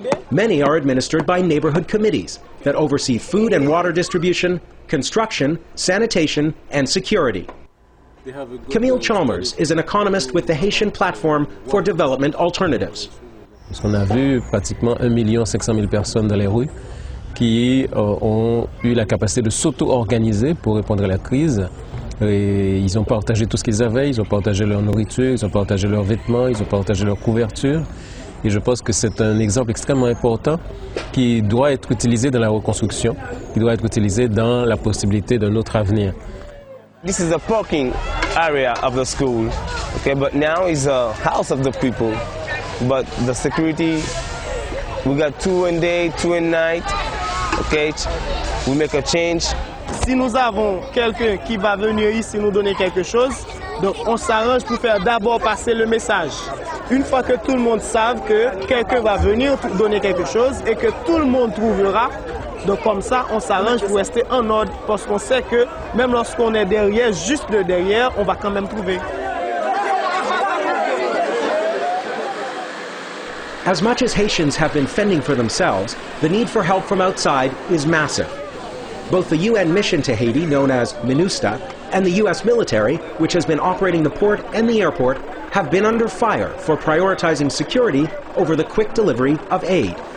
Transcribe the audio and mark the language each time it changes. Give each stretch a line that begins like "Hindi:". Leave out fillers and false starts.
English: Many are administered by neighborhood committees that oversee food and water distribution, construction, sanitation, and security. Camille Chalmers is an economist with the Haitian Platform for Development Alternatives.
French: Parce qu'on a vu pratiquement 1 500 000 personnes dans les rues qui ont eu la capacité de s'auto-organiser pour répondre à la crise. Et ils ont partagé tout ce qu'ils avaient, ils ont partagé leur nourriture, ils ont partagé leurs vêtements, ils ont partagé leur couverture. Et je pense que c'est un exemple extrêmement important qui doit être utilisé dans la reconstruction, qui doit être utilisé dans la possibilité d'un autre avenir.
English: This is a parking area of the school, okay? But now it's a house of the people. But the security, we got two in day, two in night, okay? We make a change.
French: Si nous avons quelqu'un qui va venir ici nous donner quelque chose, donc on s'arrange pour faire d'abord passer le message. Une fois que tout le monde sait que quelqu'un va venir pour donner quelque chose et que tout le monde trouvera, donc comme ça, on s'arrange pour rester en ordre parce qu'on sait que même lorsqu'on est derrière, juste de derrière, on va quand même trouver.
English: As much as Haitians have been fending for themselves, the need for help from outside is massive. Both the UN mission to Haiti, known as MINUSTAH, and the US military, which has been operating the port and the airport, have been under fire for prioritizing security over the quick delivery of aid.